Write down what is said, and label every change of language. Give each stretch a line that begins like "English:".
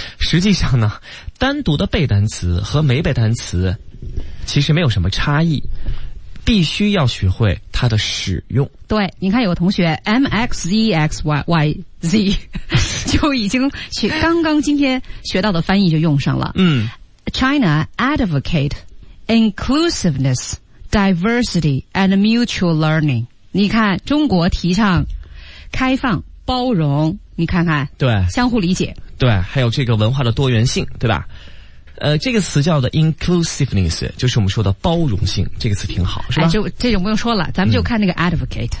Chinese: 实际上呢，单独的背单词和没背单词其实没有什么差异，必须要学会它的使用。对，你看有个同学 MXZXYYZ 就已经学，刚刚今天学到的翻译就用上了。嗯
English: ，China advocate inclusiveness, diversity, and mutual learning。
Chinese: 你看中国提倡开放包容，你看看，对，相互理解，对，还有这个文化的多元性，对吧？这个词叫的 inclusiveness， 就是我们说的包容性，这个词挺好，是吧？哎，就这种不用说了，咱们就看那个 advocate，